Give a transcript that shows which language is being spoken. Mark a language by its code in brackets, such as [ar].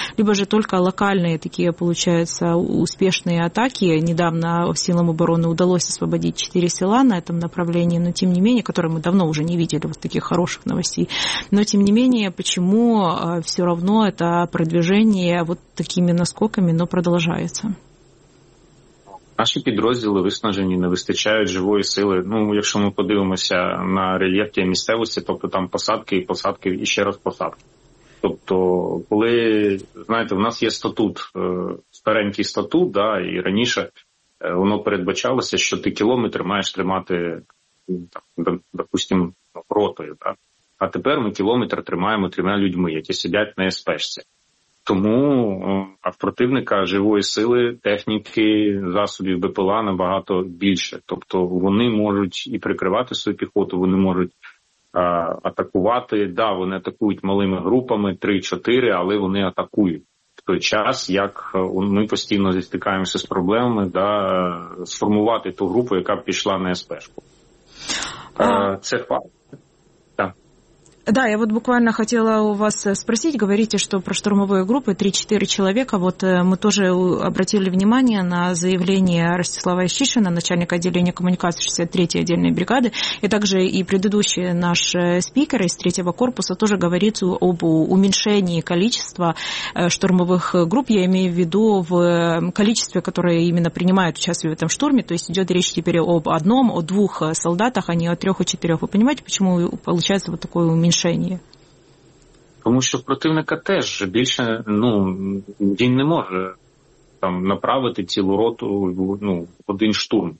[ru] Либо же только локальные такие получаются успешные атаки. Недавно силам обороны удалось освободить 4 села на этом направлении, но тем не менее, которые мы давно уже не видели вот таких хороших новостей. Но тем не менее, почему все равно это продвижение вот такими наскоками, но продолжается. [uk] Наші підрозділи виснажені, не вистачають живої сили. Ну, якщо ми подивимося на рельєф тієї місцевості, тобто там посадки і посадки, і ще раз посадки. Тобто, коли, знаєте, в нас є статут, старенький статут, да, і раніше воно передбачалося, що ти кілометр маєш тримати, допустим, ротою. Да. А тепер ми кілометр тримаємо трьома людьми, які сидять на СП-шці. Тому, а в противника живої сили, техніки, засобів БПЛА набагато більше. Тобто вони можуть і прикривати свою піхоту, вони можуть атакувати. Да, вони атакують малими групами, 3-4, але вони атакують. В той час, як ми постійно зіткаємося з проблемами, да, сформувати ту групу, яка б пішла на СП-шку. Це факт. [ru] Да, я вот буквально хотела у вас спросить, говорите, что про штурмовые группы 3-4 человека, вот мы тоже обратили внимание на заявление Ростислава Ищищина, начальника отделения коммуникации 63-й отдельной бригады, и также и предыдущий наш спикер из 3-го корпуса тоже говорит об уменьшении количества штурмовых групп, я имею в виду в количестве, которое именно принимает участие в этом штурме, то есть идет речь теперь об одном, о двух солдатах, а не о трех и четырех. Вы понимаете, почему получается вот такое уменьшение? [uk] Тому що противника теж більше, ну, він не може там направити цілу роту, ну, один штурм.